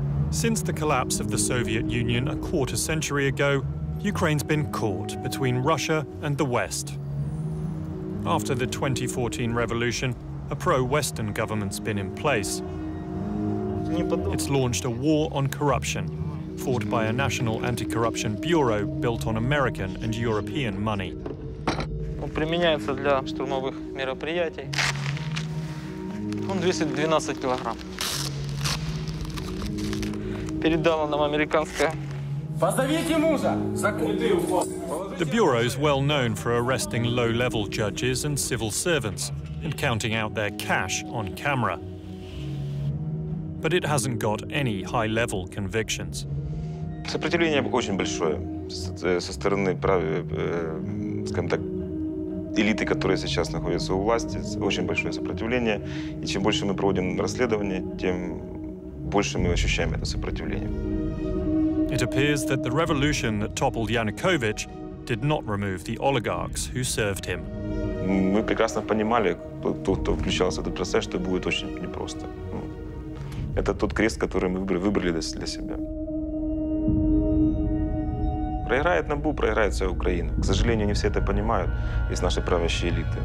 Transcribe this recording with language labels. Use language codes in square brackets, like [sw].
[en] Since the collapse of the Soviet Union a quarter century ago, Ukraine's been caught between Russia and the West. After the 2014 revolution, a pro-Western government's been in place. It's launched a war on corruption, fought by a national anti-corruption bureau built on American and European money. [ru] Применяется для штурмовых мероприятий. Он весит 12 килограмм. Передала нам американская. Позовите мужа. Закрытый уход. [en] The bureau is well known for arresting low-level judges and civil servants and counting out their cash on camera. But it hasn't got any high-level convictions. [ru] Сопротивление очень большое со стороны правой, скажем так, элиты, которые сейчас находятся у власти. Очень большое сопротивление. И чем больше мы проводим расследование, тем больше мы ощущаем это сопротивление. [en] It appears that the revolution that toppled Yanukovych did not remove the oligarchs who served him. [ru] Мы прекрасно понимали, кто включался в этот процесс, что будет очень непросто. Это тот крест, который мы выбрали для себя. Проиграет НАБУ, проиграет вся Украина. К сожалению, не все это понимают из нашей правящей элиты.